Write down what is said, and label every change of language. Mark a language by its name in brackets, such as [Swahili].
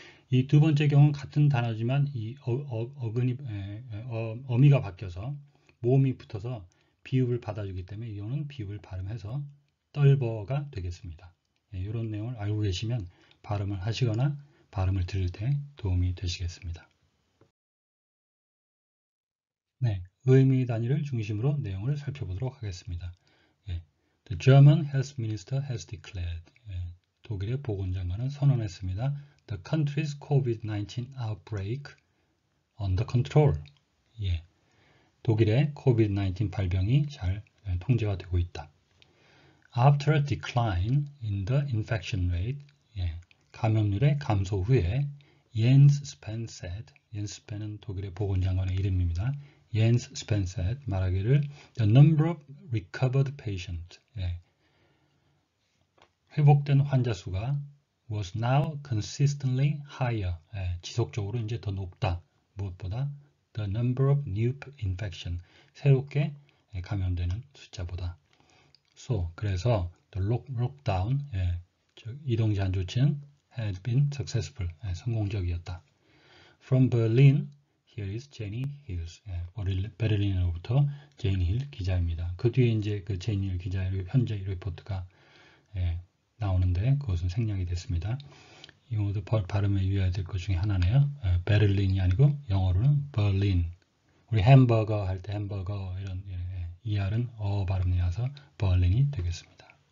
[Korean] 이두 번째 경우는 같은 단어지만 이 어근이 어미가 바뀌어서 모음이 붙어서 비읍을 받아주기 때문에 이거는 비읍을 발음해서 떨버가 되겠습니다. 예, 이런 내용을 알고 계시면 발음을 하시거나 발음을 들을 때 도움이 되시겠습니다. 네, 의미 단위를 중심으로 내용을 살펴보도록 하겠습니다. [English] 예, The German Health Minister has declared. [Korean] 예, 독일의 보건장관은 선언했습니다. [English] The country's COVID-19 outbreak under control. [Korean] 예. 독일의 COVID-19 발병이 잘 통제가 되고 있다. [English] After a decline in the infection rate, 예. [Korean] 감염률의 감소 후에 [English] Jens Spahn said, [Korean] Jens Spahn은 독일의 보건장관의 이름입니다. [English] Jens Spahn said [Korean] 말하기를 [English] The number of recovered patients, 예. [Korean] 회복된 환자 수가 [English] was now consistently higher. [Korean] 예, 지속적으로 이제 더 높다. 무엇보다 [English] the number of new infection. [Korean] 새롭게 감염되는 숫자보다. [English] So, [Korean] 그래서 [English] the lockdown, [Korean] 예, 즉 이동 제한 조치는 [English] had been successful. [Korean] 예, 성공적이었다. [English] From Berlin, here is Jenny Hills. [Korean] 예, 베를린으로부터 제인 힐 기자입니다. 그 뒤에 이제 그 제인 힐 기자의 현재 리포트가 예, 나오는데 그것은 생략이 됐습니다. 이 모두 발음에 유의해야 될것 중에 하나네요. 베를린이 아니고 영어로는 버린. 우리 햄버거 할때 햄버거 이런 ER은 어 발음이라서 버린이 되겠습니다.